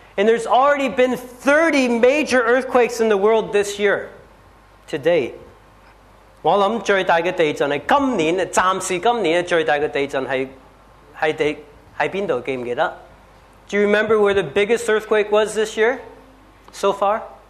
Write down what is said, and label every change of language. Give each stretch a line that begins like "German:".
English: And there's already been 30 major earthquakes in the world this year, to date.
Chinese: 我想最大的地震是今年,暂时今年最大的地震是哪里,记不记得?
English: Do you remember where the biggest earthquake was this year, so far?